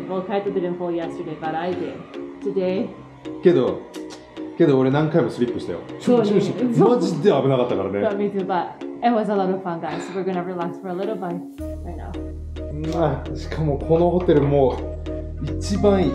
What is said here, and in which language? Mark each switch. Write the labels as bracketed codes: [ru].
[en] Well, Kaito didn't fall yesterday, but I did. Today. [ja] けど俺何回もスリップしたよ。そうね。マジで危なかったからね。 [en] So, me too, but it was a lot of fun, guys. We're gonna relax for a little bit right now. [ja] まあ、しかもこのホテルも一番いい。